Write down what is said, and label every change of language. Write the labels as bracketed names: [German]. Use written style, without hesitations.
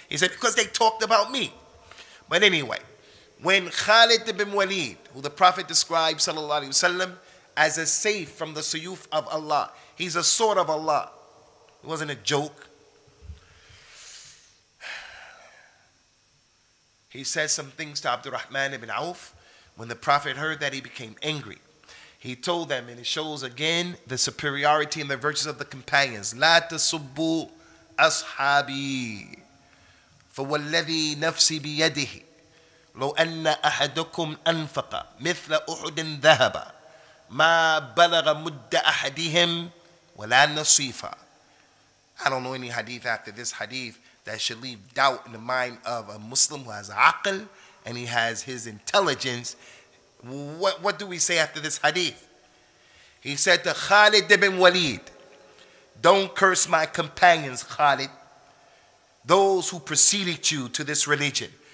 [English] He said, because they talked about me. But anyway, when Khalid ibn Walid, who the Prophet described, sallallahu alayhi wa sallam, as a safe from the suyuf of Allah, he's a sword of Allah. It wasn't a joke. He said some things to Abdurrahman ibn Auf. When the Prophet heard that, he became angry. He told them, and it shows again the superiority and the virtues of the companions. [Arabic] لا تسبوا أصحابي فوالذي نفسي بيده لو أن أحدكم أنفق مثل أحد ذهب ما بلغ مد أحدهم ولا نصيفا. [English] I don't know any hadith after this hadith that should leave doubt in the mind of a Muslim who has aql and he has his intelligence. What do we say after this hadith? He said to Khalid ibn Walid, don't curse my companions, Khalid, those who preceded you to this religion.